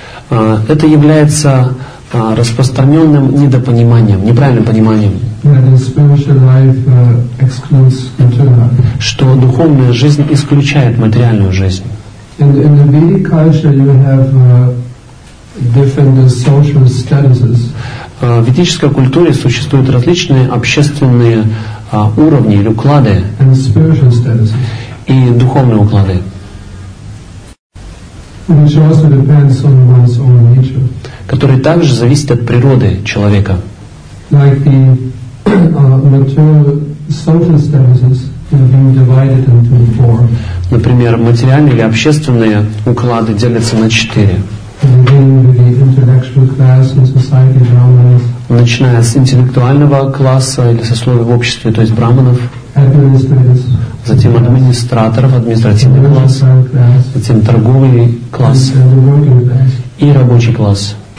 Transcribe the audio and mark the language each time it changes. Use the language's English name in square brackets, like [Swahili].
[Russian] Это является распространенным недопониманием, неправильным пониманием. [English] Yeah, that spiritual life excludes material. [Russian] Что духовная жизнь исключает материальную жизнь. [English] In the Vedic culture, you have different social statuses. [Russian] В ведической культуре существуют различные общественные уровни или уклады. [English] And spiritual statuses. [Russian] И духовные уклады. [English] Which also depends on one's own nature. [Russian] Которые также зависят от природы человека. [English] Like the material social statuses have been divided into four. [Russian] Например, материальные или общественные уклады делятся на 4. [English] Beginning with the intellectual class in society, brahmanas. [Russian] Начиная с интеллектуального класса или сословия в обществе, то есть брахманов. [English] Administrators. [Russian] Затем администраторов, административный класс, затем торговый класс и рабочий класс.